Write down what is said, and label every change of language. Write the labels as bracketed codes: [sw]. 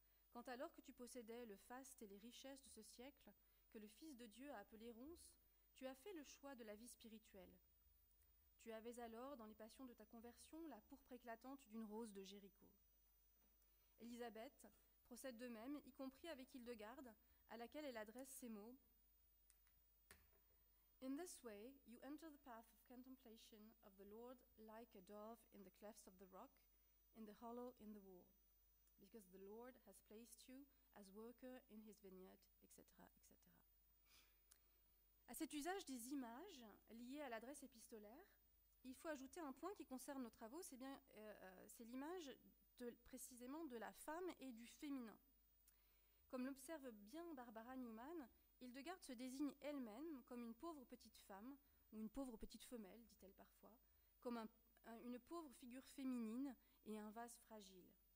[fr] Quand alors que tu possédais le faste et les richesses de ce siècle, que le Fils de Dieu a appelé ronce, tu as fait le choix de la vie spirituelle. Tu avais alors, dans les passions de ta conversion, la pourpre éclatante d'une rose de Jéricho. » Élisabeth procède de même, y compris avec Hildegarde, à laquelle elle adresse ces mots. [en] In this way, you enter the path of contemplation of the Lord like a dove in the clefts of the rock, in the hollow in the wall. Because the Lord has placed you as worker in his vineyard, etc., etc. [fr] À cet usage des images liées à l'adresse épistolaire, il faut ajouter un point qui concerne nos travaux, c'est l'image précisément de la femme et du féminin. Comme l'observe bien Barbara Newman, Hildegarde se désigne elle-même comme une pauvre petite femme, ou une pauvre petite femelle, dit-elle parfois, comme une pauvre figure féminine et un vase fragile.